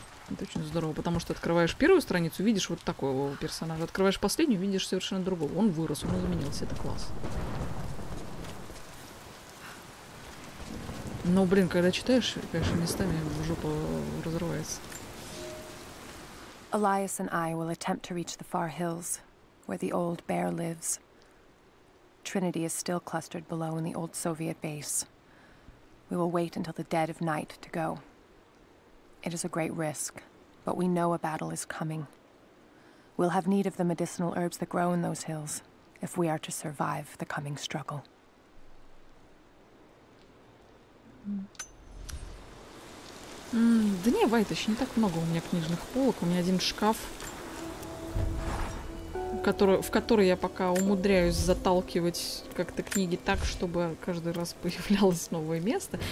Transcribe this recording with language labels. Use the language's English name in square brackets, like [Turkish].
[Russian] Это очень здорово, потому что открываешь первую страницу, видишь вот такого персонажа. Открываешь последнюю, видишь совершенно другого. Он вырос, он изменился, это класс. Но, блин, когда читаешь, конечно, местами жопа разрывается. [English] Elias and I will attempt to reach the far hills, where the old bear lives. Trinity is still clustered below in the old Soviet base. We will wait until the dead of night to go. It is a great risk, but we know a battle is coming. We'll have need of the medicinal herbs that grow in those hills if we are to survive the coming struggle. [Russian] Да не, Вайт, еще не так много у меня книжных полок. У меня один шкаф, в который я пока умудряюсь заталкивать как-то книги так, чтобы каждый раз появлялось новое место.